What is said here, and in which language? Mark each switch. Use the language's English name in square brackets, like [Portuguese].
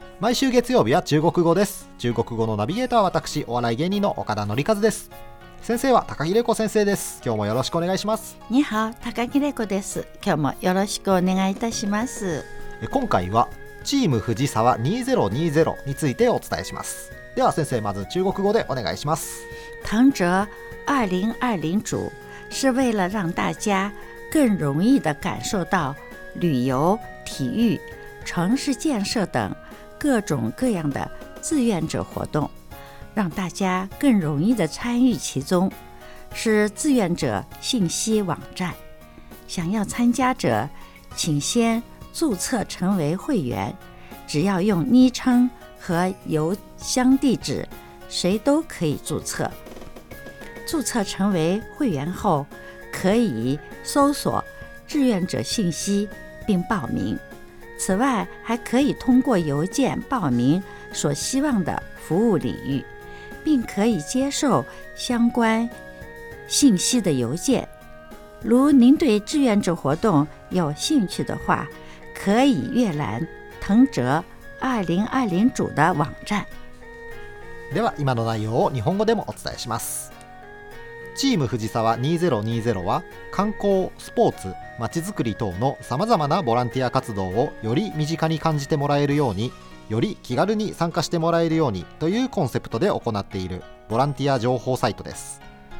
[Japanese] 毎週月曜日は中国語です。中国語のナビゲーターは私、お笑い芸人の岡田紀一です。先生は高木玲子先生です。今日もよろしくお願いします。ニハオ、高木玲子です。今日もよろしくお願いいたします。今回はチーム藤沢2020についてお伝えします。では先生、まず中国語でお願いします。 [Chinese] 唐哲2020主是为了让大家更容易地感受到旅游、体育、城市建设等各种各样的志愿者活动，让大家更容易地参与其中，是志愿者信息网站。想要参加者，请先注册成为会员，只要用昵称和邮箱地址，谁都可以注册。注册成为会员后，可以搜索志愿者信息并报名。此外，还可以通过邮件报名所希望的服务领域，并可以接受相关信息的邮件。如您对志愿者活动有兴趣的话，可以阅览腾哲2020主的网站。 [Japanese] では、今の内容を日本語でもお伝えします。チーム藤沢2020は観光、スポーツ、街づくり等のさまざまなボランティア活動をより身近に感じてもらえるように、より気軽に参加してもらえるようにというコンセプトで行っているボランティア情報サイトです。